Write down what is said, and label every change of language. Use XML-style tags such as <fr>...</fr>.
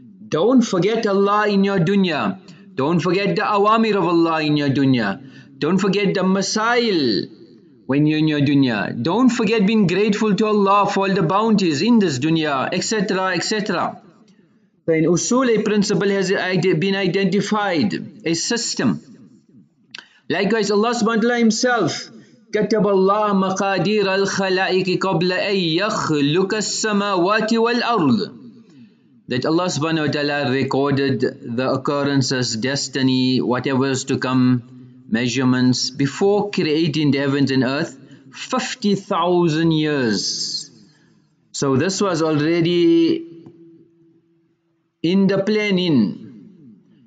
<en>Don't forget Allah in your dunya. Don't forget the awamir of Allah in your dunya. Don't forget the masail when you're in your dunya. Don't forget being grateful to Allah for all the bounties in this dunya, etc., etc. So in usul, a principle has been identified, a system.</en> <ar>Likewise, Allah subhanahu wa ta'ala himself, كَتَبَ اللَّهَ مَقَادِيرَ الْخَلَائِكِ قَبْلَ أَن يَخْلُكَ السَّمَاوَاتِ وَالْأَرْضِ.</ar> <en>That Allah subhanahu wa ta'ala recorded the occurrences, destiny, whatever is to come, measurements, before creating the heavens and earth, 50,000 years. So this was already in the planning.</en>